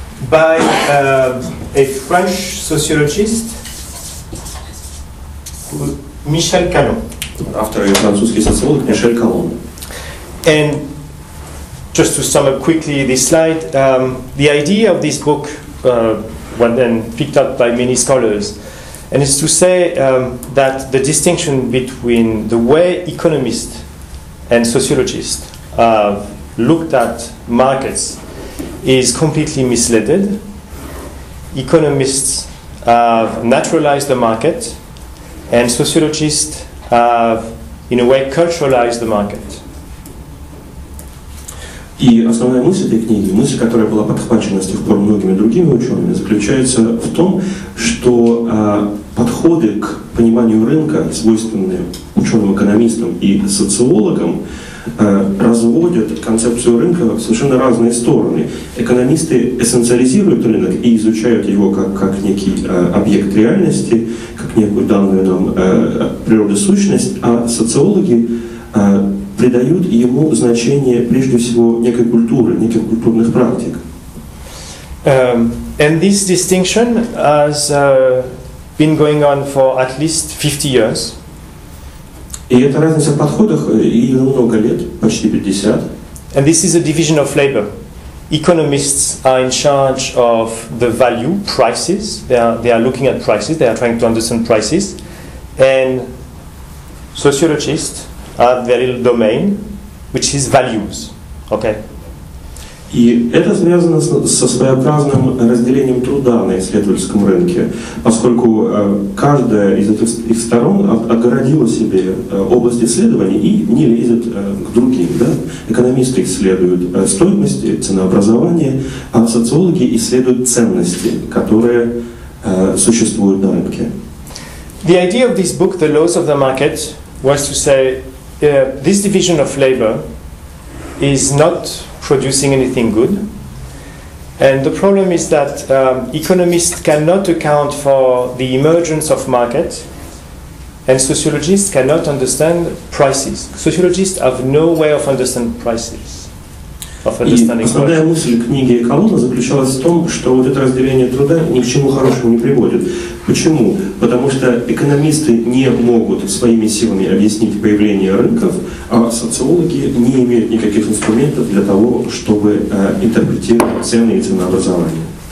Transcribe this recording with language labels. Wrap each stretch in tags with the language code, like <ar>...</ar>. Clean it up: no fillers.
<en>By a French sociologist, Michel Calon.</en> <ru>Автор и французский социолог Мишель Калон.</ru> <en>And just to sum up quickly this slide, the idea of this book was then picked up by many scholars, and it's to say that the distinction between the way economists and sociologists have looked at markets is completely misled. Economists have naturalized the market, and sociologists have, in a way, culturalized the market.</en> <ru>И основная мысль этой книги, мысль, которая была подхвачена с тех пор многими другими учеными, заключается в том, что подходы к пониманию рынка, свойственные ученым-экономистам и социологам, разводят концепцию рынка в совершенно разные стороны. Экономисты эссенциализируют рынок и изучают его как некий объект реальности, как некую данную нам природу сущность, а социологи придают ему значение, прежде всего, некой культуры, неких культурных практик.</ru> <en>And this distinction has been going on for at least 50 years.</en> <ru>И эта разница в подходах уже много лет, почти 50.</ru> <en>And this is a division of labor. Economists are in charge of the value, prices. They are looking at prices, they are trying to understand prices. And sociologists have their little domain, which is values, okay?</en> <ru>И это связано со своеобразным разделением труда на исследовательском рынке, поскольку каждая из этих сторон отгородила себе область исследований и не лезет к другим, да? Экономисты исследуют стоимости, ценообразование, а социологи исследуют ценности, которые существуют на рынке.</ru> <en>The idea of this book, The Laws of the Market, was to say, this division of labor is not producing anything good, and the problem is that economists cannot account for the emergence of market, and sociologists cannot understand prices. Sociologists have no way of understanding prices.</en> <ru>Основная мысль книги Колумба заключалась в том, что вот это разделение труда ни к чему хорошему не приводит. Почему? Потому что экономисты не могут своими силами объяснить появление рынков, а социологи не имеют никаких инструментов для того, чтобы интерпретировать цены и ценообразование.</ru>